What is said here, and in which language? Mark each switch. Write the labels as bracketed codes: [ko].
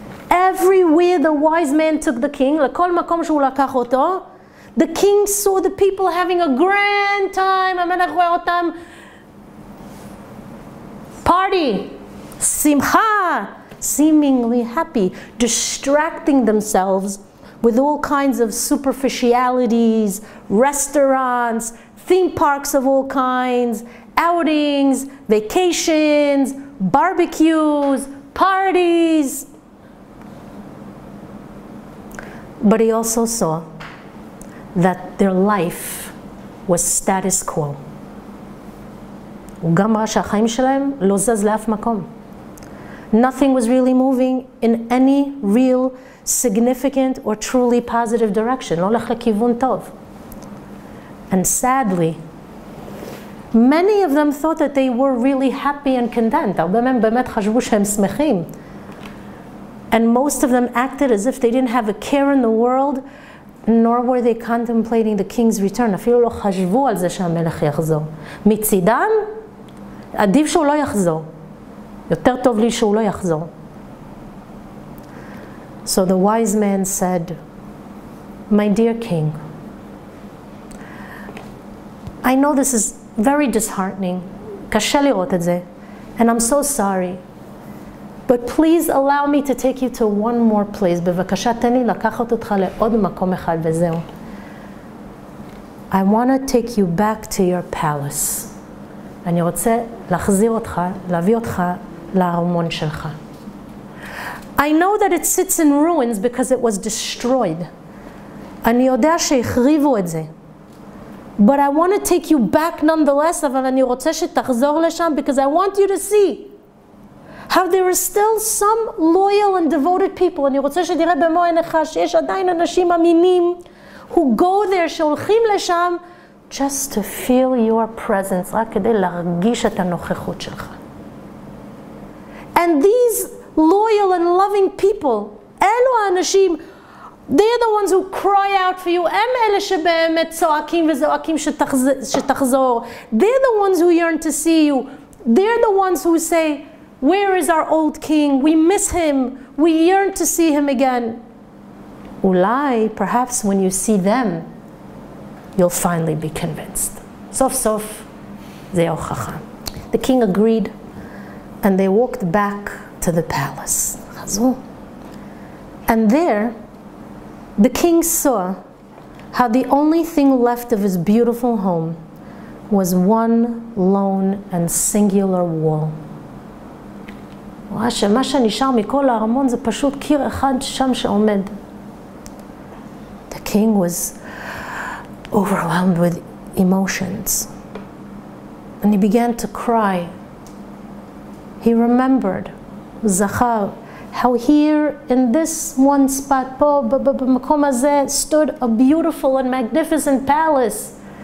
[en] Everywhere the wise man took the king, [he] לכל מקום שהוא לקח אותו, [en] the king saw the people having a grand time, [he] המלך רואה אותם, [en] party, [he] שמחה, [en] seemingly happy, distracting themselves with all kinds of superficialities, restaurants, theme parks of all kinds, outings, vacations, barbecues, parties. But he also saw that their life was status quo. [he] הוא גם ראה שהחיים שלהם לא זז לאף מקום. [en] Nothing was really moving in any real, significant, or truly positive direction. [he] לא הולך לכיוון טוב. [en] And sadly, many of them thought that they were really happy and content. [he] הרבה מהם באמת חשבו שהם שמחים. [en] And most of them acted as if they didn't have a care in the world, nor were they contemplating the king's return. [he] אפילו לא חשבו על זה שהמלך יחזור. מצידם, עדיף שהוא לא יחזור. יותר טוב לי שהוא לא יחזור. [en] So the wise man said, my dear king, I know this is very disheartening. [he] קשה לראות את זה. [en] And I'm so sorry. But please allow me to take you to one more place. [he] בבקשה, תן לי לקחת אותך לעוד מקום אחד וזהו. [en] I want to take you back to your palace. [he] אני רוצה להחזיר אותך, להביא אותך לארמון שלך. [en] I know that it sits in ruins because it was destroyed. [he] אני יודע שהחריבו את זה. [en] But I want to take you back nonetheless, [he] אבל אני רוצה שתחזור לשם [en] because I want you to see how there are still some loyal and devoted people. [he] אני רוצה שתראה במו עיניך שיש עדיין אנשים אמינים [en] who go there, [he] שהולכים לשם, [en] just to feel your presence, [he] רק כדי להרגיש את הנוכחות שלך. [en] And these loyal and loving people, [he] אלו האנשים, [en] they're the ones who cry out for you. [he] הם אלה שבאמת צועקים וזועקים שתחזור. [en] They're the ones who yearn to see you. They're the ones who say, where is our old king? We miss him. We yearn to see him again. [he] Ulai, [en] perhaps when you see them, you'll finally be convinced. [he] Sof sof, ze hochacha. [en] The king agreed, and they walked back to the palace. And there, the king saw how the only thing left of his beautiful home was one lone and singular wall. [he] רואה שמה שנשאר מכל הארמון זה פשוט קיר אחד שם שעומד. [en] The king was overwhelmed with emotions. And he began to cry. He remembered, Zachar, how here in this one spot, [he] במקום הזה, [en] stood a beautiful and magnificent palace.